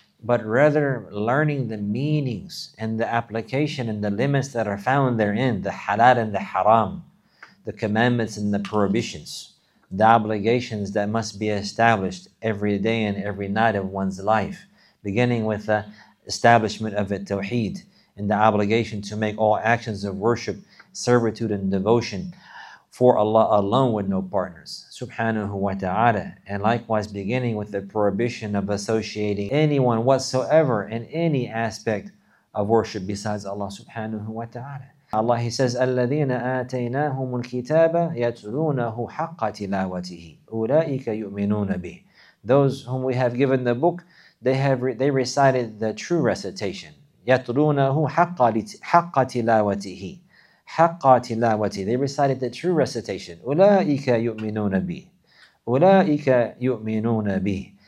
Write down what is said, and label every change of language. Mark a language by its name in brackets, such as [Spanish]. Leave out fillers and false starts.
[English] but rather learning the meanings and the application and the limits that are found therein, the halal and the haram, the commandments and the prohibitions, the obligations that must be established every day and every night of one's life, beginning with the establishment of a tawheed and the obligation to make all actions of worship, servitude and devotion for Allah alone with no partners, subhanahu wa ta'ala, and likewise beginning with the prohibition of associating anyone whatsoever in any aspect of worship besides Allah subhanahu wa ta'ala. Allah, He says, [Arabic] الَّذِينَ آتَيْنَاهُمُ الْكِتَابَ يَتْلُونَهُ حَقَّ تِلَاوَتِهِ أُولَٰئِكَ يُؤْمِنُونَ بِهِ. [English] Those whom we have given the book, they recited the true recitation. [Arabic] يَتْلُونَهُ حَقَّ تِلَاوَتِهِ. حَقَّ تِلَاوَتِهِ. [English] They recited the true recitation. [Arabic] أُولَٰئِكَ يُؤْمِنُونَ بِهِ. أُولَٰئِكَ يُؤْمِنُونَ بِهِ.